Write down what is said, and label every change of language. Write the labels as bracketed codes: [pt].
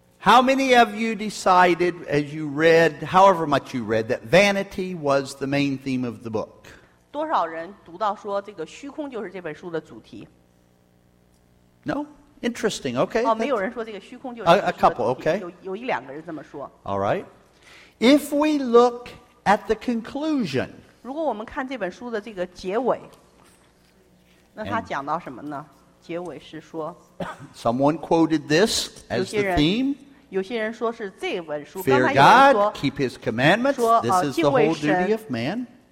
[en] How many of you decided as you read, however much you read, that vanity was the main theme of the book? [zh] 多少人读到说这个虚空就是这本书的主题？ [en] No? Interesting, okay. A couple, okay. [zh] 有一两个人这么说。 [en] All right. If we look at the conclusion, [zh] 如果我们看这本书的这个结尾, 那他讲到什么呢? 结尾是说, [en] someone quoted this as the theme. [zh] 有些人说是这本书, [en] fear God, keep His commandments, [zh] 说, [en] this is the whole duty of man.